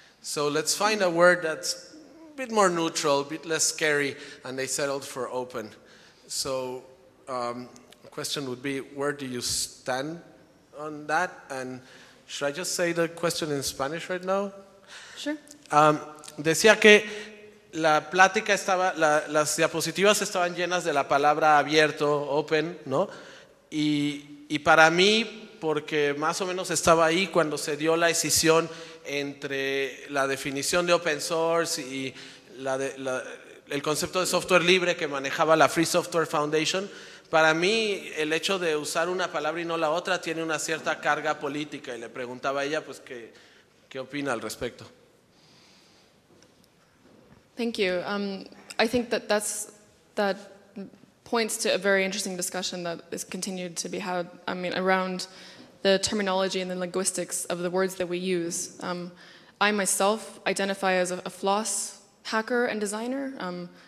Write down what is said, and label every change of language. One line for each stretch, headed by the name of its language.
English: So let's find a word that's a bit more neutral, a bit less scary, and they settled for open. So the question would be, where do you stand on that? And should I just say the question in Spanish right now? Sure.
Spanish: Decía que la plática estaba, las diapositivas estaban llenas de la palabra abierto, open, ¿no? Y para mí, porque más o menos estaba ahí cuando se dio la decisión entre la definición de open source y el concepto de software libre que manejaba la Free Software Foundation, para mí el hecho de usar una palabra y no la otra tiene una cierta carga política. Y le preguntaba a ella, pues, ¿qué opina al respecto?
English: Thank you. I think that points to a very interesting discussion that is continued to be had, I mean, around the terminology and the linguistics of the words that we use. I myself identify as a floss hacker and designer.